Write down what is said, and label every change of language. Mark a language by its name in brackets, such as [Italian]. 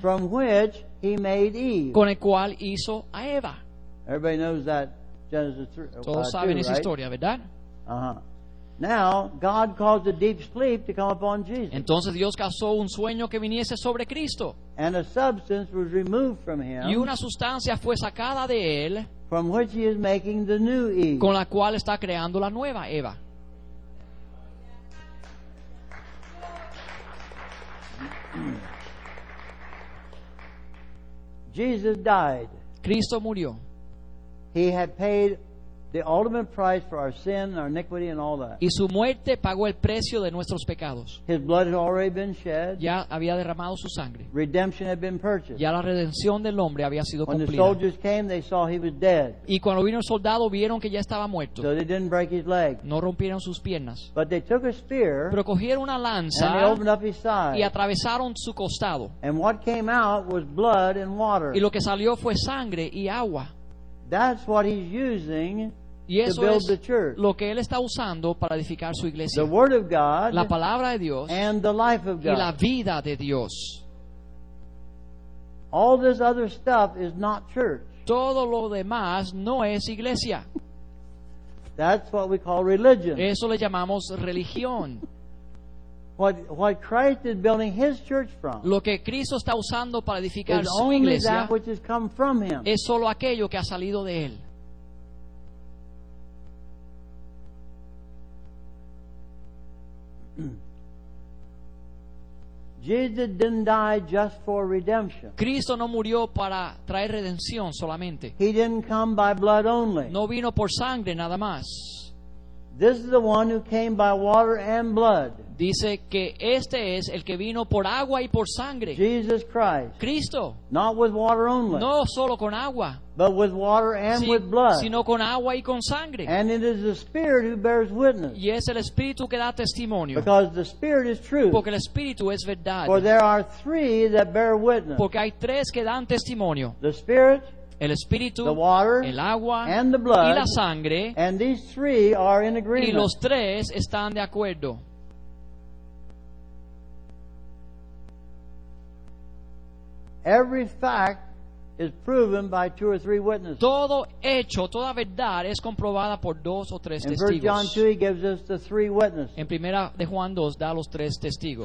[English] From which he made Eve. [Spanish] Con el cual hizo a Eva. [English] Everybody knows that Genesis 3. [Spanish] Todos saben esa historia, ¿verdad? [English] Now God caused a deep sleep to come upon Jesus. [Spanish] Entonces Dios causó un sueño que viniese sobre Cristo. [English] And a substance was removed from him. [Spanish] Y una sustancia fue sacada de él. [English] From which he is making the new Eve. [Spanish] Con la cual está creando la nueva Eva. [English] Jesus died. [Spanish] Cristo murió. [English] He had paid the ultimate price for our sin, our iniquity, and all that. [Spanish] Y su muerte pagó el precio de nuestros pecados. [English] His blood had already been shed. [Spanish] Ya había derramado su sangre. [English] Redemption had been purchased. [Spanish] Ya la redención del hombre había sido [English] when [Spanish] cumplida. [English] When the soldiers came, they saw he was dead. [Spanish] Y cuando vino el soldado, vieron que ya estaba muerto. [English] So they didn't break his leg. [Spanish] No rompieron sus piernas. [English] But they took a spear. [Spanish] Pero cogieron una lanza. [English] And they opened up his side. [Spanish] Y atravesaron su costado. [English] And what came out was blood and water. [Spanish] Y lo que salió fue sangre y agua. [English] That's what he's using to build the church. [Spanish] Lo que él está usando para edificar su iglesia. [English] The word of God, [Spanish] la palabra de Dios, [English] and the life of God, [Spanish] y la vida de Dios. [English] All this other stuff is not church. [Spanish] Todo lo demás no es iglesia. [English] That's what we call religion. [Spanish] Eso le llamamos religión. [English] What Christ is building his church from. [Spanish] Lo que Cristo está usando para edificar su iglesia. [English] That which has come from him. [Spanish] Es solo aquello que ha salido de él. [English] Jesus didn't die just for redemption. [Spanish] Cristo no murió para traer redención solamente. [English] He didn't come by blood only. [Spanish] No vino por sangre nada más. [English] This is the one who came by water and blood. [Spanish] Dice que este es el que vino por agua y por sangre. [English] Jesus Christ. [Spanish] Cristo. [English] Not with water only. [Spanish] No solo con agua. [English] But with water and with blood. [Spanish] Sino con agua y con sangre. [English] And it is the Spirit who bears witness. [Spanish] Y es el Espíritu que da testimonio. [English] Because the Spirit is truth. [Spanish] Porque el Espíritu es verdad. [English] For there are three that bear witness. [Spanish] Porque hay tres que dan testimonio. [English] The Spirit. [Spanish] El Espíritu, [English] the water, [Spanish] el agua, [English] and the blood, [Spanish] y la sangre, [English] and these three are in agreement. [Spanish] Y los tres están de acuerdo. [English] Every fact is proven by two or three witnesses. [Spanish] Todo hecho, toda verdad es comprobada por dos o tres testigos. [English] In 1 John 2, he gives us the three witnesses. [Spanish] En primera de Juan 2, da los tres testigos.